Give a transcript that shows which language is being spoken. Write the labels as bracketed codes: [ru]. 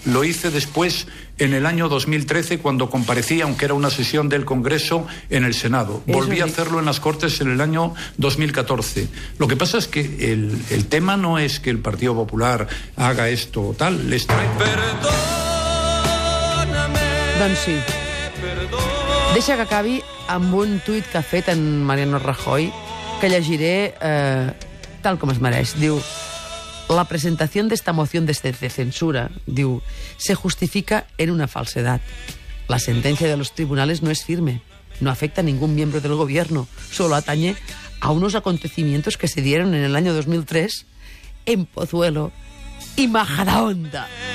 [es] Lo hice después en el año 2013 cuando comparecí, aunque era una sesión del Congreso, en el Senado. Volví a hacerlo en las Cortes en el año 2014. Lo que pasa es que el tema no es que el Partido Popular haga esto o tal. Les trae perdóname. [ca] Doncs sí. Deixa que acabi amb un tuit que ha fet en Mariano Rajoy, que llegiré tal com es mereix. Diu... [es] La presentación de esta moción de censura, diu, se justifica en una falsedad. La sentencia de los tribunales no es firme, no afecta a ningún miembro del gobierno, solo atañe a unos acontecimientos que se dieron en el año 2003 en Pozuelo y Majadahonda.